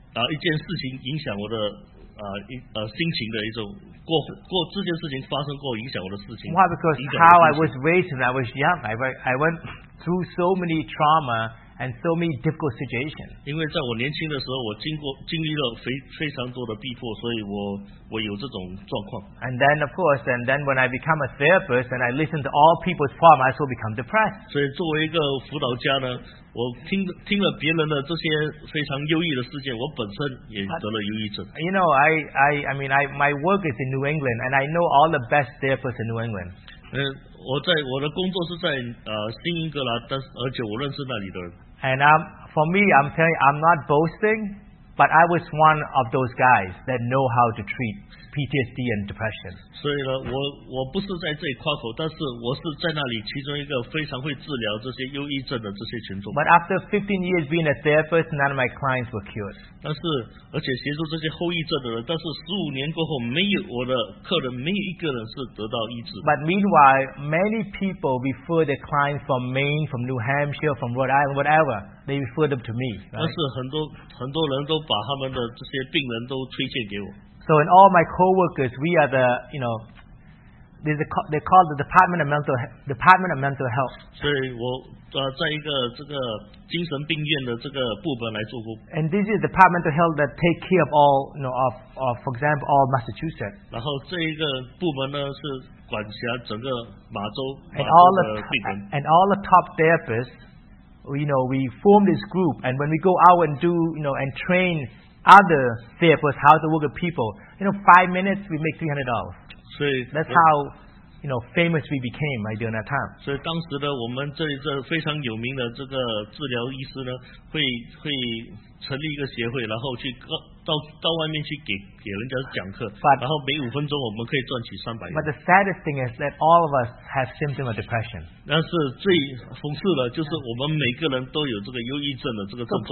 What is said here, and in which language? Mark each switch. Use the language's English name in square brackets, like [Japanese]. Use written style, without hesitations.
[Chinese] 一件事情影响我的心情的一种过这件事情发生过影响我的事情。 [English] Why? Because how I was raised when I was young, I went through so many trauma and so many difficult situations. [Chinese] 因为在我年轻的时候，我经历了非常多的逼迫，所以我有这种状况。 [English] And then of course, and then when I become a therapist and I listen to all people's problems, I also become depressed. [Chinese] 所以作为一个辅导家呢。我听了别人的这些非常忧郁的事件，我本身也得了忧郁症。 [English] You know, I mean, my work is in New England, and I know all the best therapists in New England. [Chinese] 我的工作是在新英格兰，但而且我认识那里的人。 [English] And for me, I'm telling you, I'm not boasting, but I was one of those guys that know how to treat PTSD and depression. [Chinese] 所以呢，我不是在这里夸口，但是我是在那里其中一个非常会治疗这些忧郁症的这些群众。 [English] But after 15 years being a therapist, none of my clients were cured. [Chinese] 但是而且协助这些后遗症的人，但是15年过后，没有我的客人，没有一个人是得到医治。 [English] But meanwhile, many people refer their clients from Maine, from New Hampshire, from Rhode Island, whatever. They refer them to me.、Right? [Chinese] 但是很多人都把他们的这些病人都推荐给我。 [English] So in all my co-workers, we are the, you know, they call the Department of Mental Health. [Chinese] 所以我在一个这个精神病院的这个部门来做工。 [English] And this is the Department of Health that take care of all, you know, of for example, all Massachusetts. [Chinese] 然后这一个部门呢是管辖整个马州的病人。 [English] And all the top therapists, you know, we form this group, and when we go out and do, you know, and train other therapists, how to work with people. You know, 5 minutes, we make $300. That's how, you know, famous we became, right, during that time. [Chinese] 所以当时的我们这里这非常有名的这个治疗医师呢，会成立一个协会，然后去到外面去给人家讲课，然后每五分钟我们可以赚取300元。 [English] But the saddest thing is that all of us have symptoms of depression. [Chinese] 但是最讽刺的就是我们每个人都有这个忧郁症的这个症状。